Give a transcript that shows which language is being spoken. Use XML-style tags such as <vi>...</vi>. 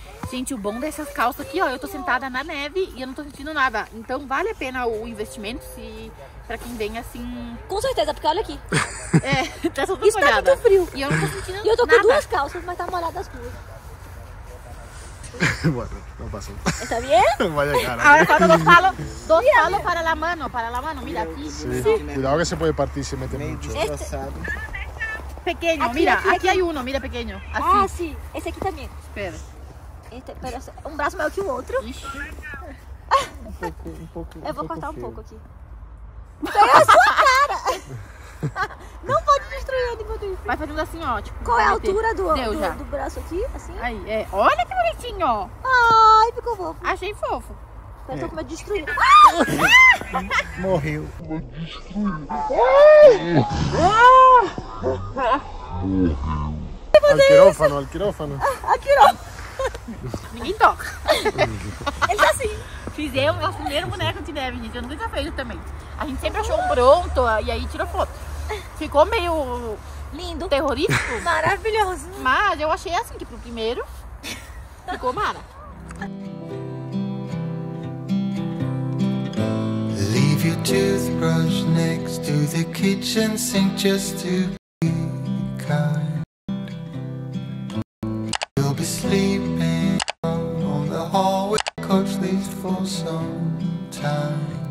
<pt>Gente, o bom dessas calças aqui, ó, eu tô sentada na neve e eu não tô sentindo nada. Então vale a pena o investimento se pra quem vem assim... Com certeza, porque olha aqui. É, tá só tudo molhada. Está muito frio. E eu não tô sentindo nada. E eu tô com nada. Duas calças, mas tá molhada as duas.</pt> <es>Bueno, no paso. ¿Está bien? Vaya cara. Ahora cuando dos palos para la mano, mira aquí. Sí. Sí. Cuidado que se puede partir, se mete me mucho. Este... Pequeño, aquí, mira, aquí hay uno, mira pequeño. Así. Ah, sí, ese aquí también. Espera. Este, pero es un brazo mayor que el otro. Un poco. Yo voy a cortar un poco aquí. ¡Pero a su cara!</es> <pt>Não pode destruir ele, meu Deus. Vai fazendo assim, ó. Tipo, qual é a altura do braço aqui? Assim? Aí, é. Olha que bonitinho, ó. Ai, ficou fofo. Achei fofo. É. Eu tô com medo de destruir. Morreu. Morreu.</pt> <es>Al quirófano. Al quirófano.</es> <pt>Ninguém toca. Ele tá assim. Fizemos o primeiro boneco de neve, gente. Eu nunca fiz também. A gente sempre achou um pronto e aí tirou foto. Ficou meio lindo, terrorífico. Maravilhoso. Mas eu achei assim que pro primeiro ficou mara.</pt> <en>Leave your toothbrush next to the kitchen sink just to be kind. You'll be sleeping on the hallway coach leaves for some time.</en>